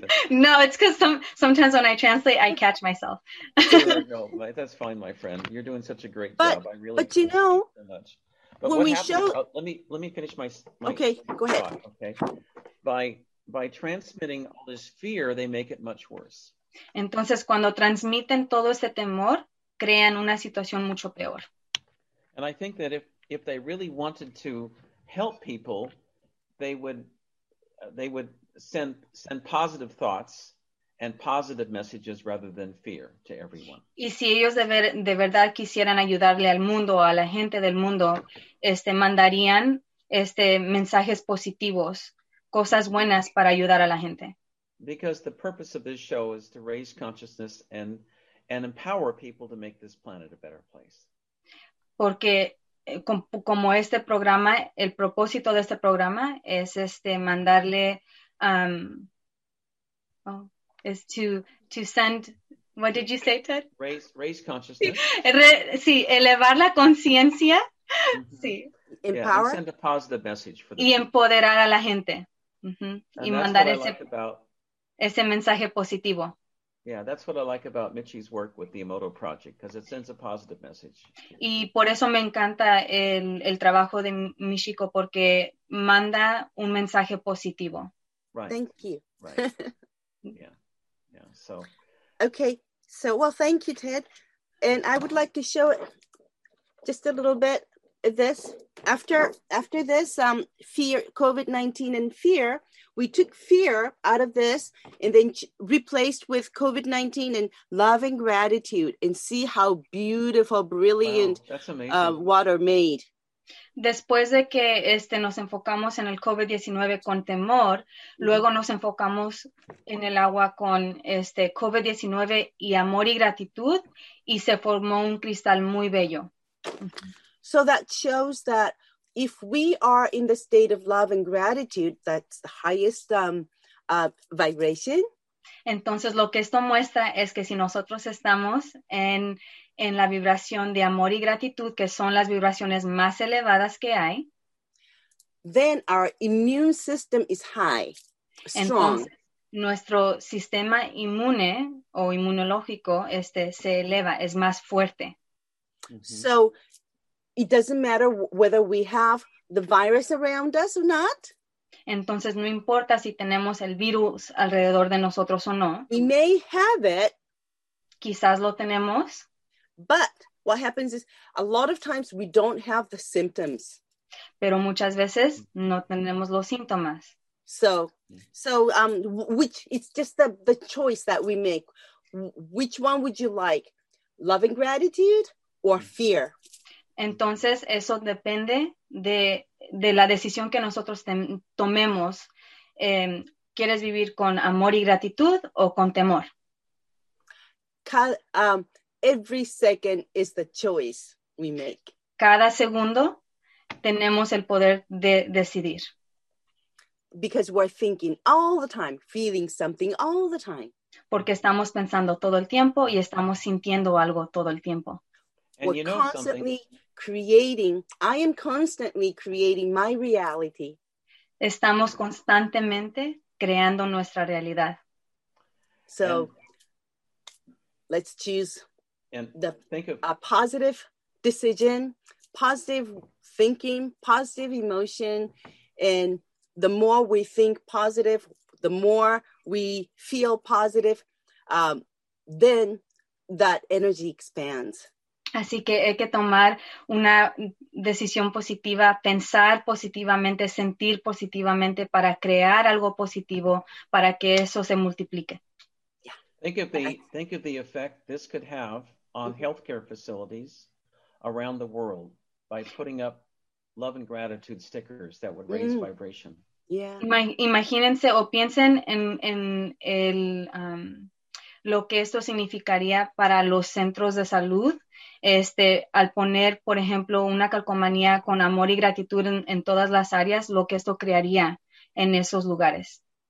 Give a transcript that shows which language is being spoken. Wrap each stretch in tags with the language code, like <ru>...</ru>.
<en>No, it's because sometimes when I translate, I catch myself. No, that's fine, my friend. You're doing such a great job. I really appreciate you know. So much. But when let me finish my okay, go ahead. Thought, okay. By transmitting all this fear, they make it much worse.</en> <es>Entonces, cuando transmiten todo ese temor, crean una situación mucho peor.</es> <en>And I think that if they really wanted to help people, they would send positive thoughts and positive messages rather than fear to everyone.</en> <es>Y si ellos de verdad quisieran ayudarle al mundo o a la gente del mundo, mandarían mensajes positivos, cosas buenas para ayudar a la gente.</es> <en>Because the purpose of this show is to raise consciousness and empower people to make this planet a better place.</en> <es>Porque como este programa, el propósito de este programa es mandarle</es> <en>is to send, what did you say, Ted? Raise consciousness.</en> <es>Sí, elevar la conciencia. Mm-hmm. Sí.</es> <en>Empower. Yeah, and send a positive message for the</en> <es>y</es> <en>people.</en> <es>Empoderar a la gente. Mm-hmm. Y mandar ese mensaje positivo.</es> <en>Yeah, that's what I like about Michi's work with the Emoto Project, because it sends a positive message.</en> <es>Y por eso me encanta el trabajo de Michiko, porque manda un mensaje positivo.</es> <en>Right. Thank you. Right. Yeah, so. Okay, so, well, thank you, Ted. And I would like to show just a little bit of this. After this fear, COVID-19 and fear, we took fear out of this and then replaced with COVID-19 and love and gratitude, and see how beautiful, brilliant water made.</en> <es>Después de que nos enfocamos en el COVID-19 con temor, luego nos enfocamos en el agua con COVID-19 y amor y gratitud, y se formó un cristal muy bello.</es> <en>So that shows that if we are in the state of love and gratitude, that's the highest vibration.</en> <es>Entonces, lo que esto muestra es que si nosotros estamos en la vibración de amor y gratitud, que son las vibraciones más elevadas que hay,</es> <en>then our immune system is high, strong.</en> <es>Entonces, nuestro sistema inmune o inmunológico se eleva, es más fuerte. Mm-hmm.</es> <en>So, it doesn't matter whether we have the virus around us or not.</en> <es>Entonces, no importa si tenemos el virus alrededor de nosotros o no.</es> <en>We may have it.</en> <es>Quizás lo tenemos.</es> <en>But what happens is a lot of times we don't have the symptoms.</en> <es>Pero muchas veces no tenemos los síntomas.</es> <en>So which it's just the choice that we make. Which one would you like? Love and gratitude or fear?</en> <es>Entonces, eso depende de la decisión que nosotros tomemos. ¿Quieres vivir con amor y gratitud o con temor?</es> <en>Every second is the choice we make.</en> <es>Cada segundo tenemos el poder de decidir.</es> <en>Because we're thinking all the time, feeling something all the time.</en> <es>Porque estamos pensando todo el tiempo y estamos sintiendo algo todo el tiempo.</es> <en>And we're I am constantly creating my reality.</en> <es>Estamos constantemente creando nuestra realidad.</es> <en>So, let's choose a positive decision, positive thinking, positive emotion. And the more we think positive, the more we feel positive, then that energy expands.</en> <es>Así que hay que tomar una decisión positiva, pensar positivamente, sentir positivamente para crear algo positivo, para que eso se multiplique.</es> <en>Think of the effect this could have on healthcare facilities around the world by putting up love and gratitude stickers that would raise vibration. Yeah.</en> <es>Imagínense o piensen en el lo que esto significaría para los centros de salud, al poner, por ejemplo, una calcomanía con amor y gratitud en todas las áreas, lo que esto crearía en esos lugares.</es>